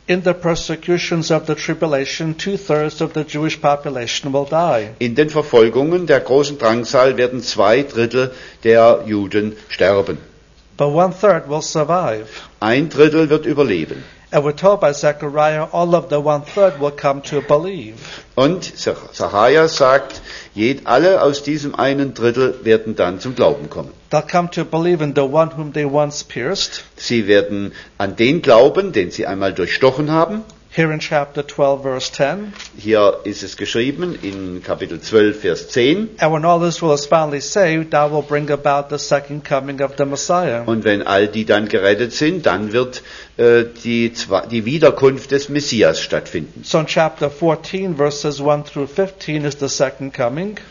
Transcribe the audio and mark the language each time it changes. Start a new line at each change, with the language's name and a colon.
English: In the persecutions of the tribulation, 2/3 of the Jewish population will die.
German: In den Verfolgungen der großen Drangsal werden 2/3 der Juden sterben.
English: But 1/3 will survive.
German: 1/3 wird überleben.
English: And we're told by Zechariah, all of the 1/3 will come to believe.
German: Und Zechariah sagt, alle aus diesem einen Drittel werden dann zum Glauben kommen.
English: They'll come to believe in the one whom they once pierced.
German: Sie werden an den glauben, den sie einmal durchstochen haben.
English: Here in chapter 12, verse 10.
German: Hier ist es geschrieben in Kapitel 12, Vers 10.
English: And when all Israel is finally saved, that will bring about the second coming of the Messiah.
German: Und wenn all die dann gerettet sind, dann wird die Wiederkunft des Messias stattfinden.
English: So in chapter 14, verses 1-15 is the second coming.